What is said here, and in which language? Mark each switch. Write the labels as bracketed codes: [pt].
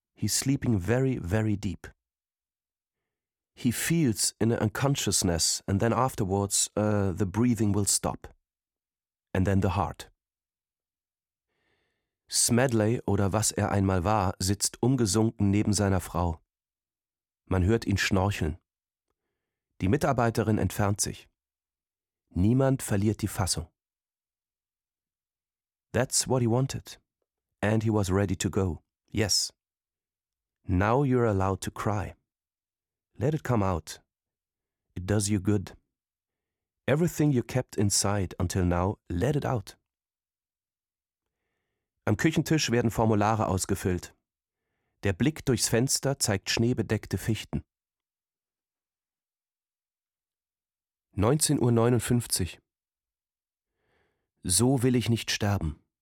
[en] He's sleeping very, very deep. He feels in an unconsciousness and then afterwards the breathing will stop. And then the heart. [de] Smedley, oder was er einmal war, sitzt umgesunken neben seiner Frau. Man hört ihn schnorcheln. Die Mitarbeiterin entfernt sich. Niemand verliert die Fassung. [en] That's what he wanted. And he was ready to go. Yes. Now you're allowed to cry. Let it come out. It does you good. Everything you kept inside until now, let it out. [de] Am Küchentisch werden Formulare ausgefüllt. Der Blick durchs Fenster zeigt schneebedeckte Fichten. 19.59 Uhr. So will ich nicht sterben.